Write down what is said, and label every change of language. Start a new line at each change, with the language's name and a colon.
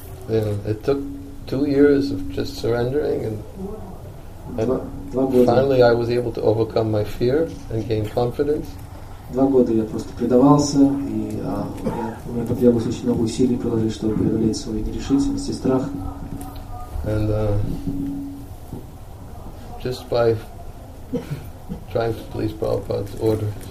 English: Yeah, it took 2 years of just surrendering, and finally I was able to overcome my fear and gain confidence.
Russian: 2 года я просто предавался, и мне потребовалось очень много усилий приложить, чтобы преодолеть свою нерешительность и страх.
English: And just by trying to please Prabhupada's order,